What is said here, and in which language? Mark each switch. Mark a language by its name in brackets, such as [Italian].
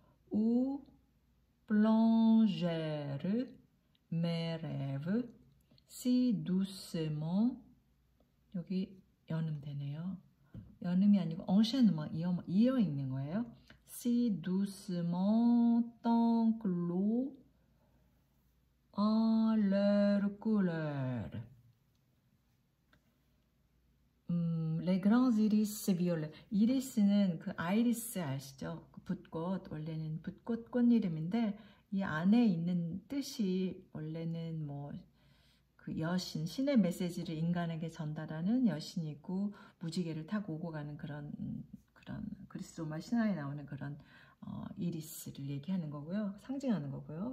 [French] où plongèrent mes rêves si doucement. [Korean] 여기 연음 되네요. 연음이 아니고 엔셰는 막 이어 있는 거예요. [French] Si doucement tant que l'eau en leur couleur. Les grands iris violets. [Korean] 이리스는 그 아이리스 아시죠? 붓꽃 원래는 붓꽃 꽃 이름인데 이 안에 있는 뜻이 원래는 뭐그 여신, 신의 메시지를 인간에게 전달하는 여신이고 무지개를 타고 오고 가는 그런 그리스 로마 신화에 나오는 그런 이리스를 얘기하는 거고요. 상징하는 거고요.